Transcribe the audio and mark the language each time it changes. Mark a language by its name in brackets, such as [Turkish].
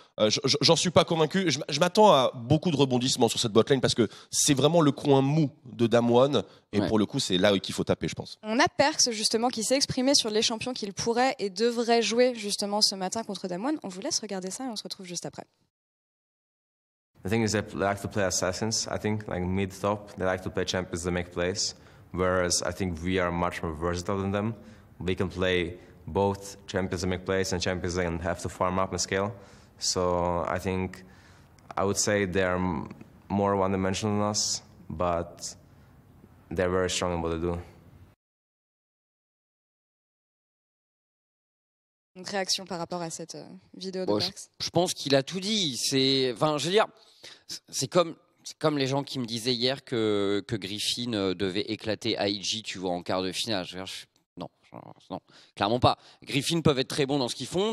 [French] J'en suis pas convaincu. Je m'attends à beaucoup de rebondissements sur cette botlane parce que c'est vraiment le coin mou de Damwon. Et pour le coup, c'est là qu'il faut taper, je pense. On a Perks justement qui s'est exprimé sur les champions qu'il pourrait et devrait jouer justement ce matin contre Damwon. On vous laisse regarder ça et on se retrouve juste après. [English] The thing is, they like to play assassins. I think like mid top, they like to play champions that make plays. Whereas I think we are much more versatile than them. We can play both champions that make plays and champions that have to farm up and scale. So I think I would say they're more one-dimensional than us, but they're very strong in what they do. [French] Une réaction par rapport à cette vidéo de Max. Je pense qu'il a tout dit. C'est comme les gens qui me disaient hier que Griffin devait éclater IG, tu vois, en quart de finale. Non, clairement pas. Griffin peuvent être très bons dans ce qu'ils font.